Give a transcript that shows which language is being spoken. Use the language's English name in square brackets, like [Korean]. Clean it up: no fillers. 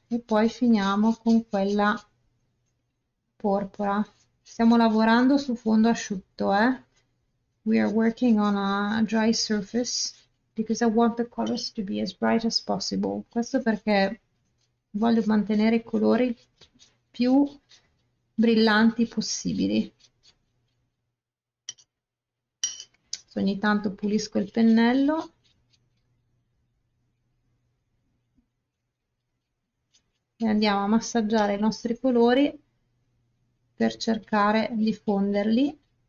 [Italian] E poi finiamo con quella porpora. Stiamo lavorando su fondo asciutto, eh? [English] We are working on a dry surface because I want the colors to be as bright as possible. [Italian] Questo perché voglio mantenere i colori più brillanti possibili. Ogni tanto pulisco il pennello e andiamo a massaggiare i nostri colori per cercare di fonderli.